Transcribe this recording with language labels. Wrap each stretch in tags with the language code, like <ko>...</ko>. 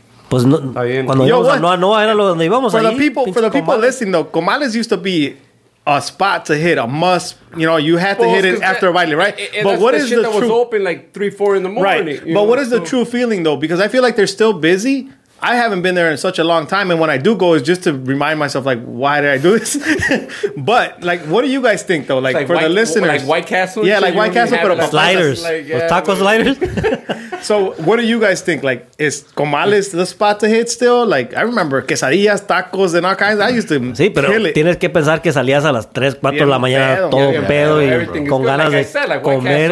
<es>Pues no, cuando yo íbamos a Noa, era lo donde íbamos.</es> <en>For the people listening, though, Comales used to be... A spot to hit, a must. You know, you have to hit it after a baile, right? But what is the truth? That was open like 3-4 in the morning. Right. But what is the true feeling though? Because I feel like they're still busy. I haven't been there in such a long time, and when I do go, it's just to remind myself, like, why did I do this? But like, what do you guys think though? Like for the listeners, like White Castle, yeah, like White Castle, but sliders, tacos, sliders. So what do you guys think? Like, is Comales the spot to hit still? Like, I remember quesadillas, tacos, and all kinds. I used to</en> <es>sí, pero</es> <en>kill it.</en> <es>Tienes que pensar que salías a las 3, 4 de la mañana, todo pedo y con ganas de comer.</es>